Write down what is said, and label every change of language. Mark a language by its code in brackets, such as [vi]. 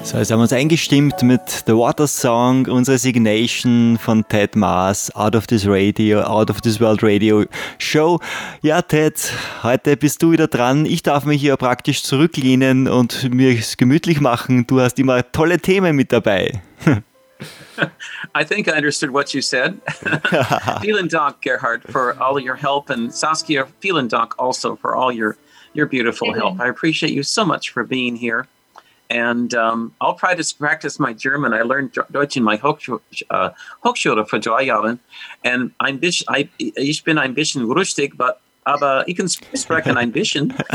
[de] So, jetzt haben wir uns eingestimmt mit The Water Song, unsere Signation von Ted Maas, Out of This Radio, Out of This World Radio Show. Ja, Ted, heute bist du wieder dran. Ich darf mich hier praktisch zurücklehnen und mir es gemütlich machen. Du hast immer tolle Themen mit dabei. [en] I think I understood what you said. Vielen Dank, Gerhard, for all your help. And Saskia, vielen Dank also for all your beautiful help. I appreciate you so much for being here. And I'll try to practice my German. I learned Deutsch in my Hochschule [de] für drei Jahren. [en] And [de] ich bin ein bisschen rustig, aber ich kann sprechen ein bisschen.